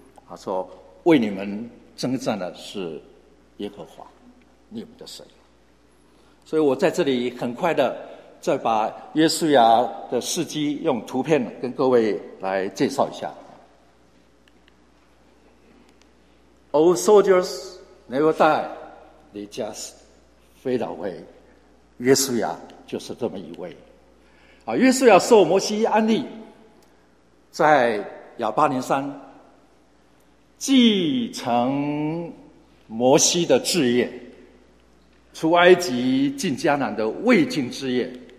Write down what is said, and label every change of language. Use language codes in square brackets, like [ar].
[zh] 他说为你们征战的是耶和华你们的神。所以我在这里很快的再把约书亚的事迹用图片跟各位来介绍一下。 [en] Old soldiers never die, they just fade away. [zh] 约书亚就是这么一位。约书亚受摩西安利，在亚巴林山继承摩西的志业，出埃及进迦南的未尽志业。